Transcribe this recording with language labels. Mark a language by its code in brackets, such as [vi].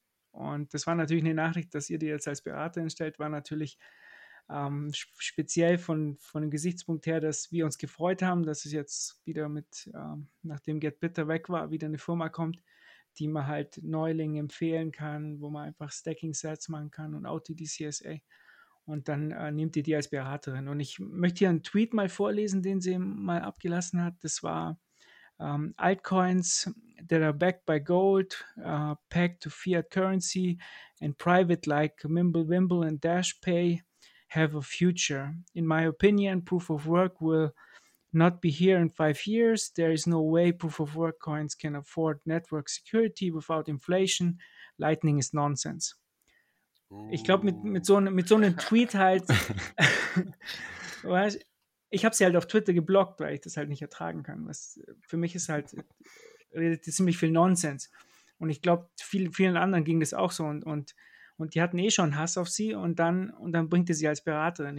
[de] Und das war natürlich eine Nachricht, dass ihr die jetzt als Beraterin stellt, war natürlich speziell von dem Gesichtspunkt her, dass wir uns gefreut haben, dass es jetzt wieder mit, nachdem Get Bitter weg war, wieder eine Firma kommt, die man halt Neulingen empfehlen kann, wo man einfach Stacking Sets machen kann und auch die CSA. Und dann nehmt ihr die als Beraterin. Und ich möchte hier einen Tweet mal vorlesen, den sie mal abgelassen hat. Das war [en] Altcoins that are backed by gold, pegged to fiat currency and private like Mimblewimble and Dashpay have a future. In my opinion, proof of work will not be here in 5 years. There is no way proof of work coins can afford network security without inflation. Lightning is nonsense. Ooh. [de] Ich glaube, mit so einem Tweet halt, ich habe sie halt auf Twitter geblockt, weil ich das halt nicht ertragen kann. Was für mich ist halt, redet ziemlich viel Nonsense. Und ich glaube, vielen anderen ging das auch so und die hatten eh schon Hass auf sie und dann bringt er sie als Beraterin.